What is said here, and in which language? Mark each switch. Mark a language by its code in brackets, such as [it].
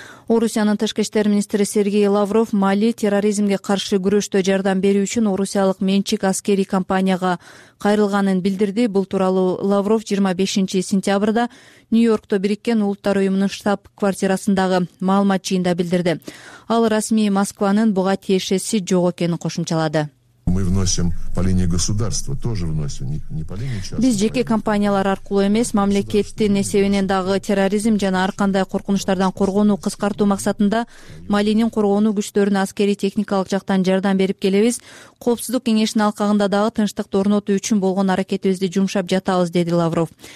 [ky] Орусиянын тышкы иштер министри Сергей Лавров Мали терроризмге каршы күрөштө жардам берүү үчүн орусиялык менчик аскерий компанияга кайрылганын билдирди. Бул тууралуу Лавров 25 сентябрда Нью-Йоркто Бириккен улуттар уюмунун штаб квартирасындагы маалымат жыйында билдирди. Ал расмий Москванын буга тиешеси жок экенин кошумчалады. [ru] Мы вносим по линии государства, тоже вносим, не по линии частного. [ky] Биз жеке компаниялар аркылуу эмес, мамлекеттин эсебинен дагы терроризм жана ар кандай коркунучтардан коргонуу кыскартуу максатында Малинин коргонуу күчтөрүнө аскерий техникалык жактан жардам берип келебиз. Коопсуздук кеңешинин алкагында дагы тынчтыкты орнотуу үчүн болгон аракетибизди жумшап жатабыз, деди Лавров.